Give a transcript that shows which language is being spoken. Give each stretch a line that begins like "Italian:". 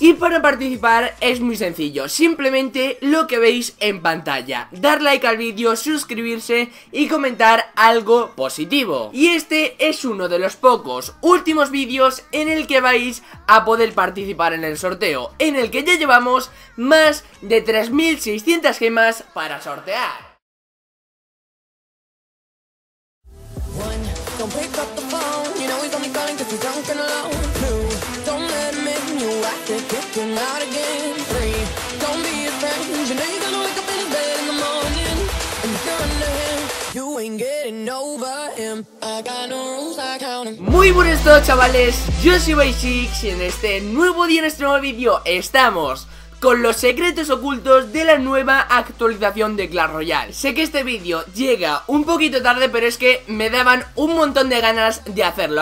Spanish: Y para participar es muy sencillo, simplemente lo que veis en pantalla: dar like al vídeo, suscribirse y comentar algo positivo. Y este es uno de los pocos últimos vídeos en el que vais a poder participar en el sorteo, en el que ya llevamos más de 3600 gemas para sortear.
English: Don't pick up the phone, you know he's only calling 'cause he's drunk and alone. Two, don't let him in, you have to kick him out again. Three, don't be his friend, you know you're gonna wake up in his bed in the morning. And if you're under him, you ain't getting over him. I got no rules, I count him.
Spanish: Muy buenas a todos, chavales, yo soy Basics y en este nuevo día, en este nuevo vídeo, estamos con los secretos ocultos de la nueva actualización de Clash Royale. Sé que este vídeo llega un poquito tarde, pero es que me daban un montón de ganas de hacerlo.